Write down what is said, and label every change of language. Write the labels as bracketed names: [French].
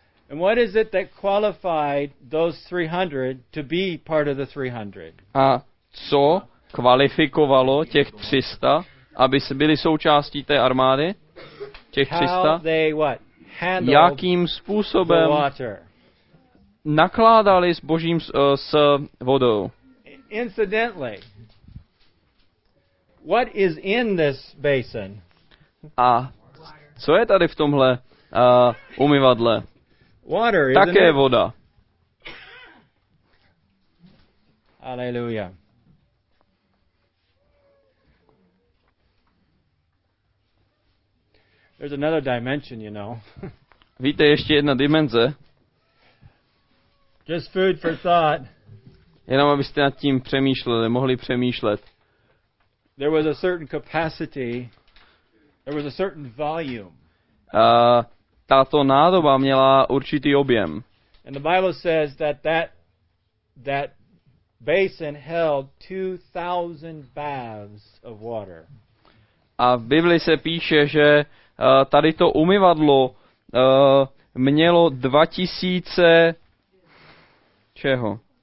[English] And what is it that qualified those 300 to be part of the 300? [Czech] A co kvalifikovalo těch 300, aby se byli součástí té armády? Těch 300? [English] How they what? Handled. [Czech] Jakým způsobem [English] the water. [Czech] Nakládali s Božím s vodou? [English] Incidentally, what is in this basin? [Czech] A co je tady v tomhle umyvadle? [English] Water, [Czech] také [English] isn't it? [Czech] Voda. Aleluja. [English] There's another dimension, you know. [Czech] Víte, ještě jedna dimenze. [English] Just food for thought. [Czech] Jenom abyste nad tím přemýšleli, mohli přemýšlet. [English] There was a certain capacity. There was a certain volume. [Czech] Tato nádoba měla určitý objem. [English] And the Bible says that basin held 2,000 baths of water. [Czech] A v Bibli se píše, že tady to umyvadlo mělo 2000 čeho?